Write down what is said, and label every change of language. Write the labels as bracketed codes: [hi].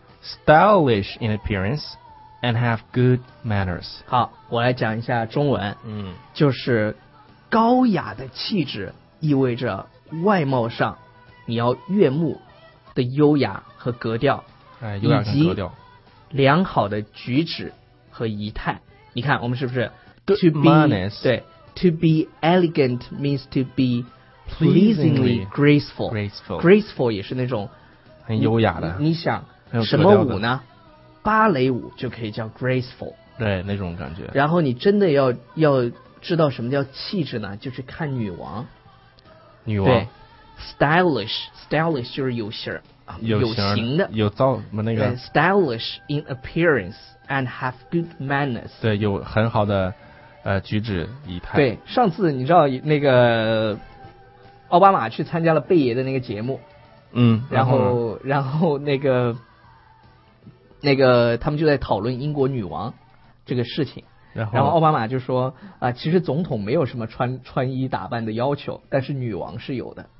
[en] stylish in appearanceAnd have good manners. [zh] 好，我来讲一下中文。嗯，就是高雅的气质意味着外貌上你要悦目的优雅和格调，哎，优雅跟格调，良好的举止和仪态。你看，我们是不是 [en] good manners？对 ，to be elegant means to be pleasingly graceful. Graceful [zh] 也是那种很优雅的。你想什么舞呢？芭蕾舞就可以叫 graceful，对那种感觉。然后你真的要知道什么叫气质呢？就是看女王，对，stylish 就是有型儿，有型的，有造那个 [en] stylish in appearance and have good manners， [zh] 对，有很好的举止仪态。对，上次你知道那个奥巴马去参加了贝爷的那个节目，嗯，然后那个。那个他们就在讨论英国女王这个事情，然后奥巴马就说啊，其实总统没有什么穿衣打扮的要求，但是女王是有的。